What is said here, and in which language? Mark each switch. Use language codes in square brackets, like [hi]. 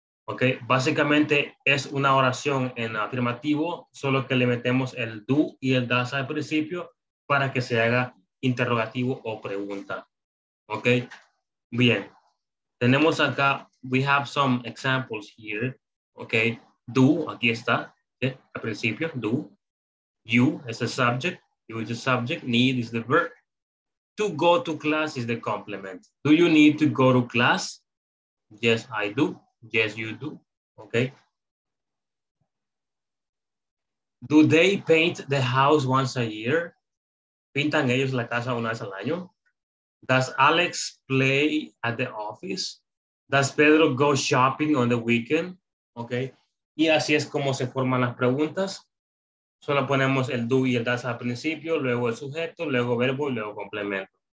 [es] Ok, básicamente es una oración en afirmativo, solo que le metemos el do y el does al principio para que se haga interrogativo o pregunta. Ok, bien. Tenemos acá, [en] we have some examples here. [es] Ok, do, aquí está, okay, al principio, do. [en] You is the subject, you is the subject, need is the verb. To go to class is the complement. Do you need to go to class? Yes, I do. Yes, you do. Okay. Do they paint the house once a year? [es] ¿Pintan ellos la casa una vez al año? [en] Does Alex play at the office? Does Pedro go shopping on the weekend? Okay. [es] Y así es como se forman las preguntas. Solo ponemos el do y el does al principio, luego el sujeto, luego verbo y luego complemento.